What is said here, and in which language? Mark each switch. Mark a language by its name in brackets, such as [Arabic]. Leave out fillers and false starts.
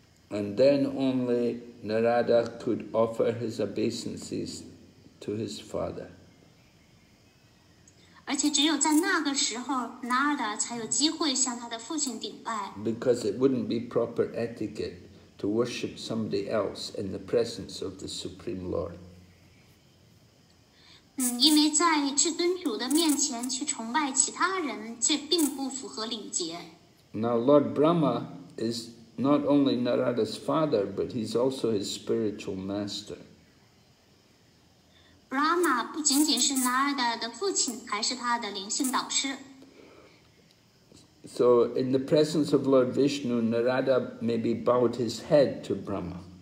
[English] And then only Narada could offer his obeisances to his father. [Chinese] 而且只有在那个时候 ，Narada 才有机会向他的父亲顶拜。 [English] Because it wouldn't be proper etiquette to worship somebody else in the presence of the Supreme Lord. [Chinese] 因为在至尊主的面前去崇拜其他人，这并不符合礼节。 [English] Now Lord Brahma is not only Narada's father, but he's also his spiritual master. [Chinese] Brahma 不仅仅是 Narada 的父亲，还是他的灵性导师。 [English] So in the presence of Lord Vishnu, Narada maybe bowed his head to Brahma.